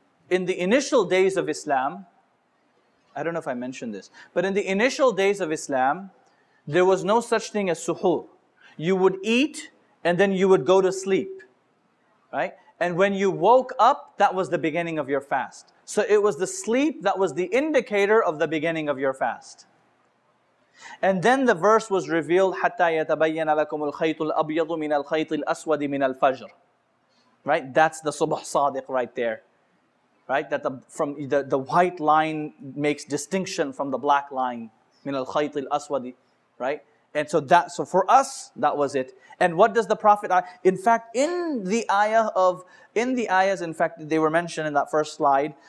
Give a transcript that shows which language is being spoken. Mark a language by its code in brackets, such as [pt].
[en] In the initial days of Islam, I don't know if I mentioned this, but in the initial days of Islam, there was no such thing as suhoor. You would eat and then you would go to sleep, right? And when you woke up, that was the beginning of your fast. So it was the sleep that was the indicator of the beginning of your fast. And then the verse was revealed, [ar] حَتَّى يَتَبَيَّنَ لَكُمُ الْخَيْطُ الْأَبْيَضُ مِنَ الْخَيْطِ الْأَسْوَدِ مِنَ الْفَجْرِ. [en] Right, that's the Subh Sadiq right there, right? That the white line makes distinction from the black line, [ar] min al khayt al aswadi, [en] right? And so for us that was it. And what does the Prophet? In fact, in the ayahs, they were mentioned in that first slide.